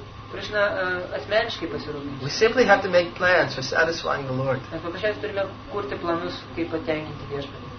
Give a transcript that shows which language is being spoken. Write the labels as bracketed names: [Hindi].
[Lithuanian] Krishna asmeniškai pasirūpins. [English] We simply have to make plans for satisfying the Lord. [Lithuanian] Mes paprasčiausiai turime kurti planus, kaip patenkinti Viešpatį.